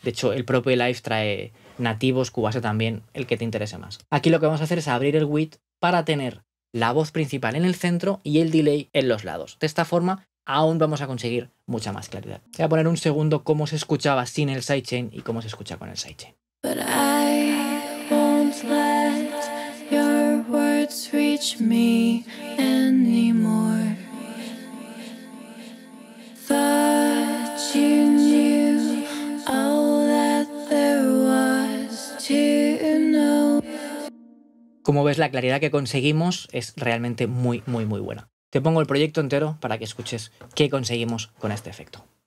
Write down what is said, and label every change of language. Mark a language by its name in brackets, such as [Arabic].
[Spanish] De hecho, el propio Live trae nativos, Cubase también, el que te interese más. Aquí lo que vamos a hacer es abrir el width para tener la voz principal en el centro y el delay en los lados. De esta forma, aún vamos a conseguir mucha más claridad. Voy a poner un segundo cómo se escuchaba sin el sidechain y cómo se escucha con el sidechain. [English] But I won't let your words reach me anymore. Thought you knew all that there was to know. [Spanish] Como ves, la claridad que conseguimos es realmente muy, muy, muy buena. Te pongo el proyecto entero para que escuches qué conseguimos con este efecto.